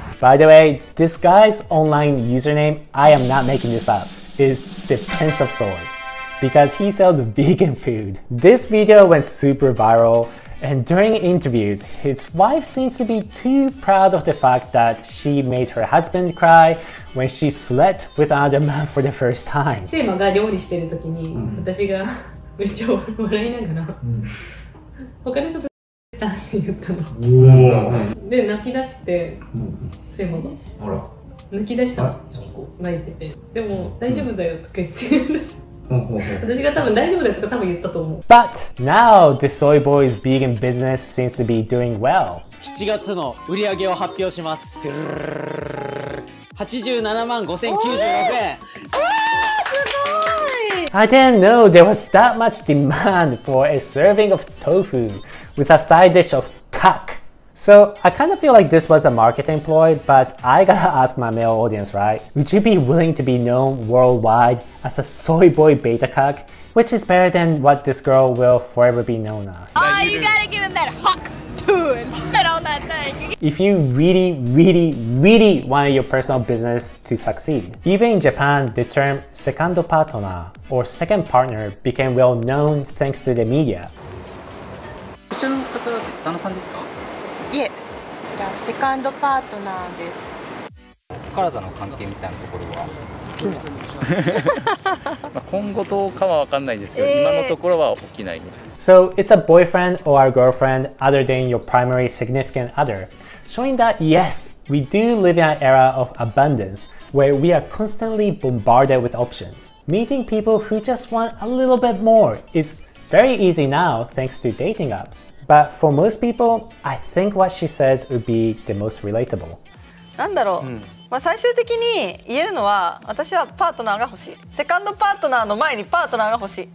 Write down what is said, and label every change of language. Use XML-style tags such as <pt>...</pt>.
<en>By the way, this guy's online username, I am not making this up, is the Prince of Soy, because he sells vegan food. This video went super viral. And during interviews, his wife seems to be too proud of the fact that she made her husband cry when she slept with another man for the first time.</en> <ja>テーマが料理してる時に、私がめっちゃ笑いながら、他の人としたって言ったの。で、泣き出して、テーマが。泣き出したの。泣いてて。でも、大丈夫だよとか言って。</ja> <en>But now the soy boy's vegan business seems to be doing well.</en> <ja>7月の売り上げを発表します。 87万5,096円。</ja> <en>I didn't know there was that much demand for a serving of tofu with a side dish of kak. So I kind of feel like this was a marketing ploy, but I gotta ask my male audience, right? Would you be willing to be known worldwide? As a soy boy beta cock, which is better than what this girl will forever be known as. Oh, you gotta give him that hawk too and spit on that thing. If you really, really, really wanted your personal business to succeed, even in Japan, the term secondo partner or second partner became well known thanks to the media.</en> <ja>こちらの方は旦那さんですか? いえ、こちらセカンドパートナーです。体の関係みたいなところは? 今後どうかは分かんないんですけど、今のところは起きないです。</ja> <en>So it's a boyfriend or a girlfriend other than your primary significant other, showing that yes, we do live in an era of abundance where we are constantly bombarded with options. Meeting people who just want a little bit more is very easy now thanks to dating apps. But for most people, I think what she says would be the most relatable.</en> <ja>なんだろう? まあ、最終的に言えるのは私はパートナーが欲しいセカンドパートナーの前にパートナーが欲しい</ja>